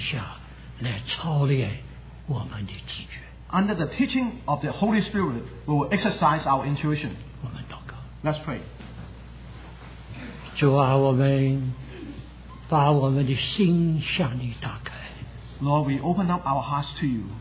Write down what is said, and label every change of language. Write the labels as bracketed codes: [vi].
[zh] 叫我们在圣灵指导的底下来操练我们的直觉。 [en] Under the teaching of the Holy Spirit, we will exercise our intuition. Let's pray. [zh] 主啊，我们把我们的心向你打开。 [en] Lord, we open up our hearts to you.